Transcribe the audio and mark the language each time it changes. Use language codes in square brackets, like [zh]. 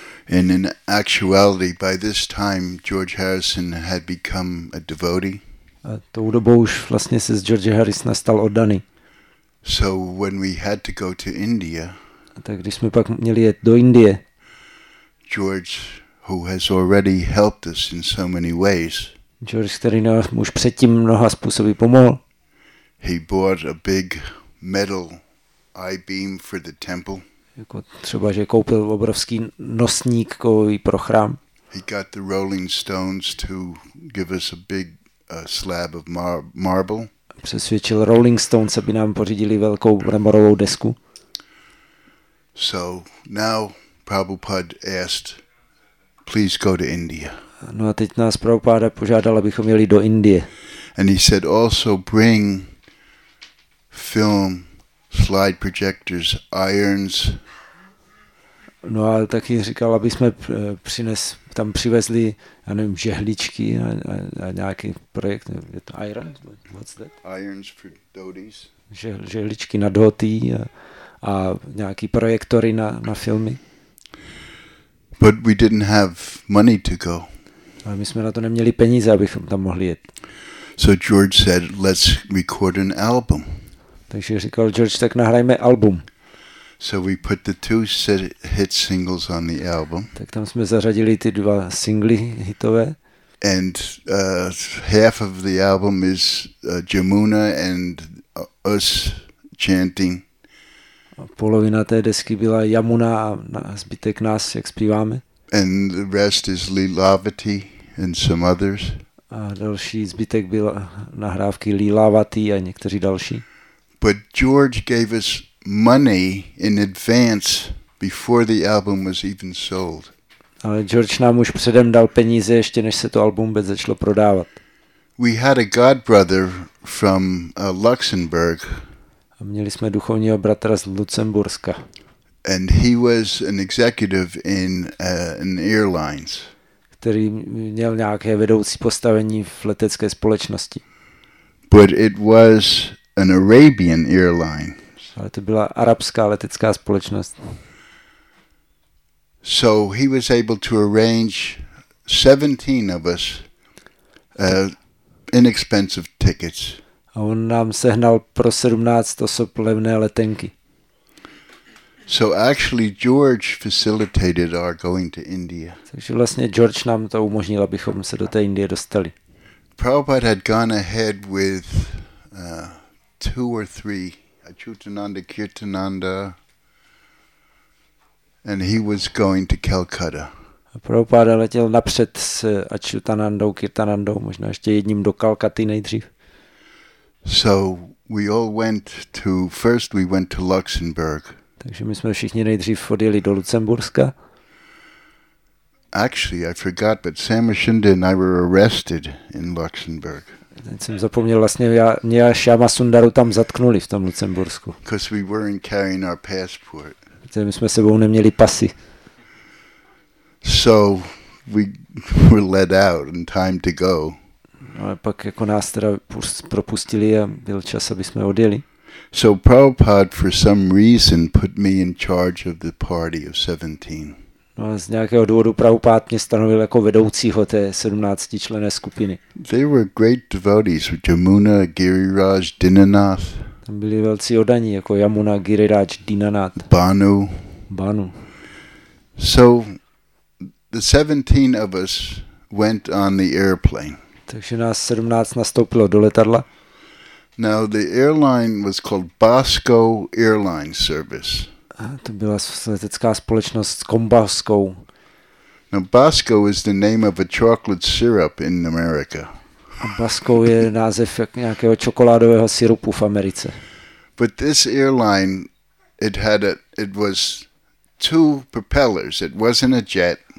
[en] And in actuality, by this time George Harrison had become a devotee. [cs] A tou dobou už vlastně se z George Harrisona stal oddaný. [en] So when we had to go to India, [cs] a tak když jsme pak měli jet do Indie, [en] George, who has already helped us in so many ways, [cs] George, který nám už předtím mnoha způsoby pomohl, [en] he bought a big metal I-beam for the temple. [cs] Jako třeba, že koupil obrovský nosník kovový pro chrám. [en] He got the Rolling Stones to give us a big slab of marble. [cs] Přesvědčil Rolling Stones, aby nám pořídili velkou mramorovou desku. [en] So now Prabhupada asked, please go to India. [cs] No a teď nás Prabhupada požádal, abychom jeli do Indie. [en] And he said also bring film, slide projectors, irons. [cs] No a taky říkal, aby jsme tam přivezli, já nevím, žehličky a nějaký projekt, je to iron? [en] What's that? Irons for dhotis. [cs] Žehličky na dhoty a nějaký projektory na filmy. [en] But we didn't have money to go. [cs] Ale my jsme na to neměli peníze, abychom tam mohli jet. [en] So George said, let's record an album. [cs] Takže říkal George, tak nahrajme album. [en] So we put the two hit singles on the album. [cs] Tak tam jsme zařadili ty dva singly hitové. [en] And half of the album is Jamuna and us chanting. [cs] A polovina té desky byla Jamuna a zbytek nás, jak zpíváme. [en] And the rest is Lilavati and some others. [cs] A další zbytek byla nahrávky Lilavati a někteří další. [en] But George gave us money in advance before the album was even sold. [cs] Ale George nám už předem dal peníze, ještě než se to album vůbec začalo prodávat. [en] We had a godbrother from Luxembourg. [cs] A měli jsme duchovního bratra z Lucemburska. [en] And he was an executive in airlines. [cs] Který měl nějaké vedoucí postavení v letecké společnosti. [en] But it was an Arabian airline. [cs] Ale to byla arabská letecká společnost. [en] So he was able to arrange 17 of us inexpensive tickets. [cs] A on nám sehnal pro 17 osob levné letenky. [en] So actually George facilitated our going to India. [cs] Takže vlastně George nám to umožnil, abychom se do té Indie dostali. [en] Prabhupada had gone ahead with two or three Achyutananda Kirtananda, and he was going to Calcutta. [cs] Prabhupada letěl napřed s Achyutanandou Kirtanandou, možná ještě jedním do Kalkaty nejdřív. [en] So we all went to, first we went to Luxembourg. [cs] Takže my jsme všichni nejdřív odjeli do Lucemburska. [en] Actually, I forgot, but Samashinda and I were arrested in Luxembourg. [cs] Teď jsem zapomněl, vlastně mě a Shyama Sundaru tam zatknuli v tom Lucembursku. [en] Because we weren't carrying our passport. [cs] Protože my jsme sebou neměli pasy. [en] So we were let out in time to go. [cs] No a pak jako nás teda propustili a byl čas, aby jsme odjeli. [en] So Prabhupada for some reason put me in charge of the party of 17. [cs] No a z nějakého důvodu Prabhupád mě stanovil jako vedoucího té 17 člené skupiny. [en] They were great devotees, Jamuna, Giriraj, Dinanath. [cs] Tam byli velcí oddaní jako Jamuna, Giriraj, Dinanath. [en] Banu. [cs] Banu. [en] So the 17 of us went on the airplane. [cs] Takže nás 17 nastoupilo do letadla. [en] Now the airline was called Basco Airline Service. [cs] A to byla letecká společnost s Kombaskou. [en] Now Basco is the name of a chocolate syrup in America. [cs] A Basco je název nějakého čokoládového syrupu v Americe. [en] But this airline, it was two propellers. It wasn't a jet.